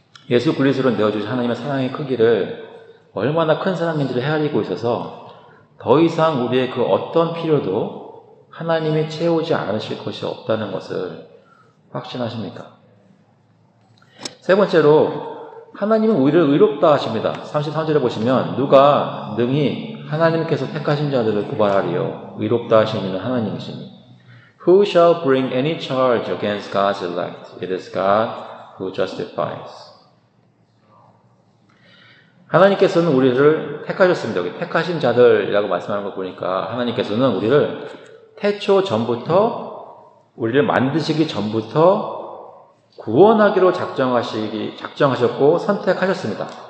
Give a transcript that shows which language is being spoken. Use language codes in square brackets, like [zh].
[ko] 예수 그리스도를 내어주신 하나님의 사랑의 크기를 얼마나 큰 사랑인지를 헤아리고 있어서 더 이상 우리의 그 어떤 필요도 하나님이 채우지 않으실 것이 없다는 것을 확신하십니까? 세 번째로 하나님은 우리를 의롭다 하십니다. 33절에 보시면 누가 능히 하나님께서 택하신 자들을 고발하리요? 의롭다 하시는 하나님이십니다. [en] Who shall bring any charge against God's elect? It is God who justifies. [ko] 하나님께서는 우리를 택하셨습니다. 여기 택하신 자들이라고 말씀하는 걸 보니까 하나님께서는 우리를 태초 전부터, 우리를 만드시기 전부터 구원하기로 작정하셨고 선택하셨습니다.